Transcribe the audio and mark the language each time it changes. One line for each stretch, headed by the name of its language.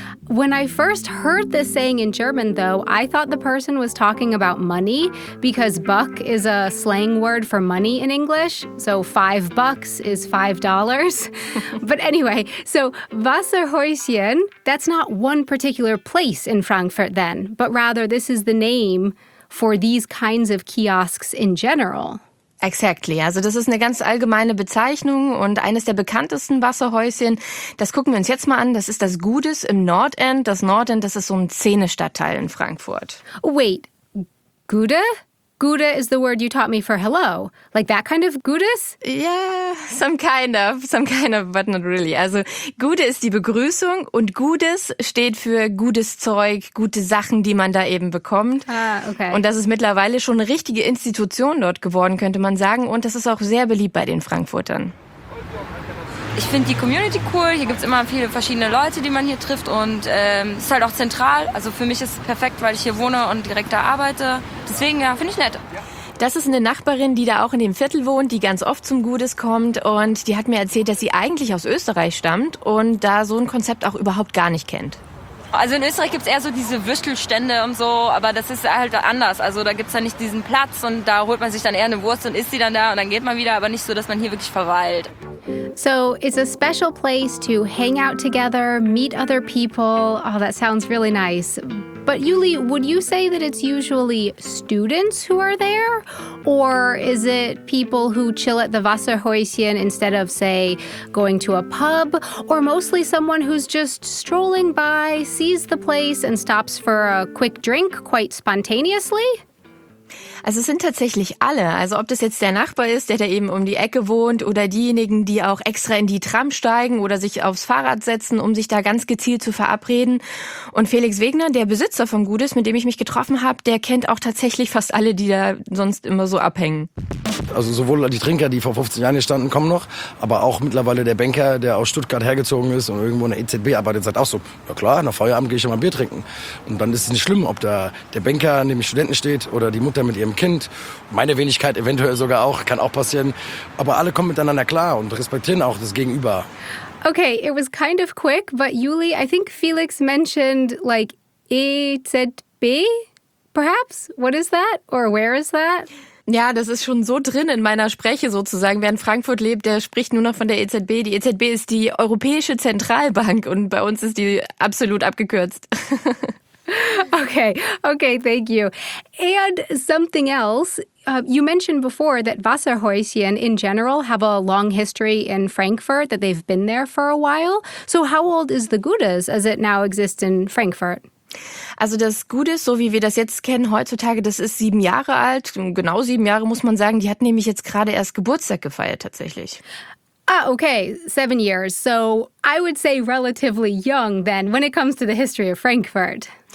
English: When I first heard this saying in German, though, I thought the person was talking about money because buck is a slang word for money in English. So $5 is $5. But anyway, so Wasserhäuschen, that's not one particular place in Frankfurt then, but rather this is the name for these kinds of kiosks in general. Exactly.
German: Also das ist eine ganz allgemeine Bezeichnung und eines der bekanntesten Wasserhäuschen, das gucken wir uns jetzt mal an, das ist das Gutes im Nordend. Das Nordend, das ist so ein Szene-Stadtteil in Frankfurt.
English: Wait, Gute? Gude is the word you taught me for hello. Like that kind of Gudes? Yeah, some kind of, but not really.
German: Also Gude ist die Begrüßung und Gudes steht für gutes Zeug, gute Sachen, die man da eben bekommt.
English: Ah, okay.
German: Und das ist mittlerweile schon eine richtige Institution dort geworden, könnte man sagen. Und das ist auch sehr beliebt bei den Frankfurtern. Ich finde die Community cool. Hier gibt es immer viele verschiedene Leute, die man hier trifft. Und es ist halt auch zentral. Also für mich ist es perfekt, weil ich hier wohne und direkt da arbeite. Deswegen, ja, finde ich nett. Das ist eine Nachbarin, die da auch in dem Viertel wohnt, die ganz oft zum Gudes kommt. Und die hat mir erzählt, dass sie eigentlich aus Österreich stammt und da so ein Konzept auch überhaupt gar nicht kennt. Also in Österreich gibt es eher so diese Würstelstände und so, aber das ist halt anders. Also da gibt es ja nicht diesen Platz und da holt man sich dann eher eine Wurst und isst sie dann da und dann geht man wieder, aber nicht so, dass man hier wirklich verweilt.
English: So it's a special place to hang out together, meet other people. Oh, that sounds really nice. But Yuli, would you say that it's usually students who are there? Or is it people who chill at the Wasserhäuschen instead of, say, going to a pub? Or mostly someone who's just strolling by, sees the place and stops for a quick drink quite spontaneously?
German: Also es sind tatsächlich alle. Also ob das jetzt der Nachbar ist, der da eben um die Ecke wohnt oder diejenigen, die auch extra in die Tram steigen oder sich aufs Fahrrad setzen, um sich da ganz gezielt zu verabreden. Und Felix Wegner, der Besitzer vom Gudes, mit dem ich mich getroffen habe, der kennt auch tatsächlich fast alle, die da sonst immer so abhängen. Also sowohl die Trinker, die vor 15 Jahren hier standen, kommen noch, aber auch mittlerweile der Banker, der aus Stuttgart hergezogen ist und irgendwo in der EZB arbeitet, sagt auch so, ja klar, nach Feierabend gehe ich schon mal ein Bier trinken. Und dann ist es nicht schlimm, ob da der Banker neben den Studenten steht oder die Mutter mit ihrem Kind, meine Wenigkeit eventuell sogar auch, kann auch passieren. Aber alle kommen miteinander klar und respektieren auch das Gegenüber.
English: Okay, it was kind of quick, but Yuli, I think Felix mentioned like EZB, perhaps? What is that? Or where is that?
German: Ja, das ist schon so drin in meiner Spreche sozusagen. Wer in Frankfurt lebt, der spricht nur noch von der EZB. Die EZB ist die Europäische Zentralbank und bei uns ist die absolut abgekürzt.
English: Okay, thank you. And something else, you mentioned before that Wasserhäuschen in general have a long history in Frankfurt, that they've been there for a while. So how old is the Gudes as it now exists in Frankfurt?
German: Also das Gudes, so wie wir das jetzt kennen heutzutage, das ist 7 Jahre alt, genau 7 Jahre muss man sagen, die hat nämlich jetzt gerade erst Geburtstag gefeiert tatsächlich.
English: Ah, okay, 7 years. So I would say relatively young then when it comes to the history of Frankfurt.